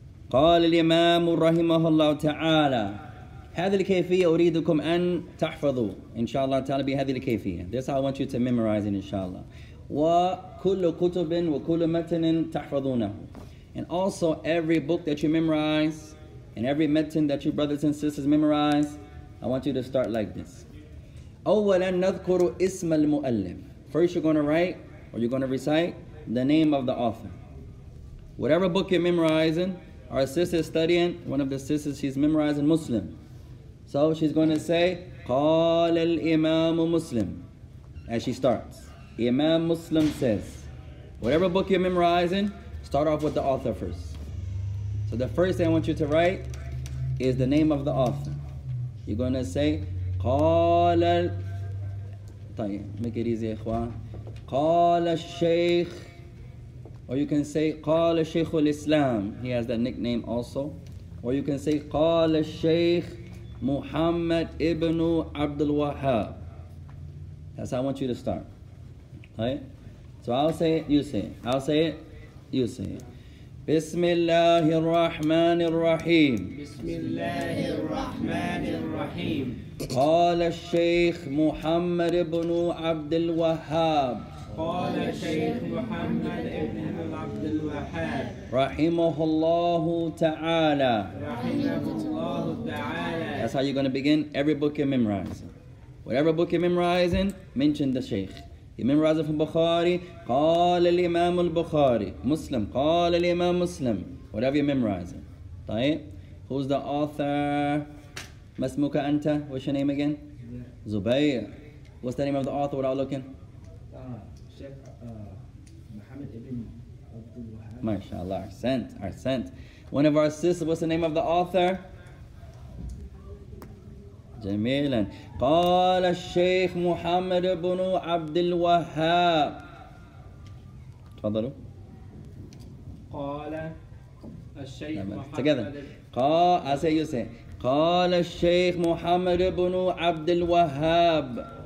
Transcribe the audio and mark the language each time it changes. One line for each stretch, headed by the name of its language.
Arabic: قال الإمام رحمه الله تعالى هذه الكيفية أريدكم أن تحفظوا إن شاء الله تعالى بهذه الكيفية.
English: This I want you to memorize it,
Arabic: إن شاء الله. وكل كتب وكل متن تحفظونه.
English: And also every book that you memorize and every متن that you brothers and sisters memorize, I want you to start like this.
Arabic: أولاً نذكر اسم المؤلف.
English: First you're going to write, or you're going to recite, the name of the author. Whatever book you're memorizing, our sister is studying, one of the sisters, she's memorizing Muslim. So she's going to say,
Arabic: قال الإمام مسلم,
English: as she starts. Imam Muslim says. Whatever book you're memorizing, start off with the author first. So the first thing I want you to write is the name of the author. You're going to say, قال ال... make it easy, إخوان.
Arabic: قال الشيخ,
English: or you can say,
Arabic: قال الشيخ الإسلام.
English: He has that nickname also. Or you can say,
Arabic: قال الشيخ محمد ابن عبد الوهاب.
English: That's how I want you to start. Right? So I'll say it, you say it. I'll say it, you say it.
Arabic: بسم الله الرحمن الرحيم بسم الله الرحمن الرحيم قال الشيخ محمد بن عبد الوهاب قال الشيخ محمد بن عبد الوهاب رحمه الله تعالى رحمه الله تعالى.
English: That's how you're going to begin every book you're memorizing. Whatever book you're memorizing, mention the sheikh. You memorize it from Bukhari,
Arabic: قال الإمام البخاري,
English: Muslim,
Arabic: قال الإمام مسلم,
English: whatever you memorize it. طيب, who's the author?
Arabic: ما اسمك أنت?
English: What's your name again? Zubair. What's the name of the author without looking? Sheikh Muhammad ibn Abdul Wahab. MashaAllah, Arsent, Arsent. One of our sisters, what's the name of the author?
Arabic: جميلا. قال الشيخ محمد بن عبد الوهاب. تفضلوا. قال الشيخ محمد.
English: Together. قال. I say you say.
Arabic: قال الشيخ محمد بن عبد الوهاب.